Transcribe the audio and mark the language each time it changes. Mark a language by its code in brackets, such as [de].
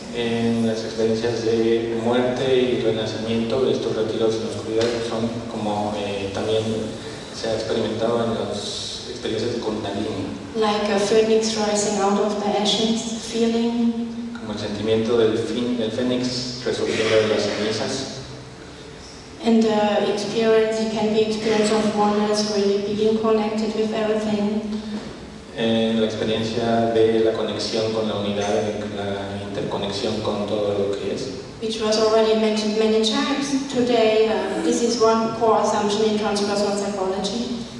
[es] En las experiencias de muerte y renacimiento, estos retiros en la oscuridad son como también se ha experimentado en las experiencias de Kundalini. [en] Like a phoenix rising out of the ashes, feeling. [es] Como el sentimiento del del fénix resurgiendo de las cenizas. [en] And the experience, it can be experience of oneness, really being connected with everything. [es] En la experiencia de la conexión con la unidad, la interconexión con todo lo que es. [en] Which was already mentioned many times today. This is one core assumption in transpersonal psychology.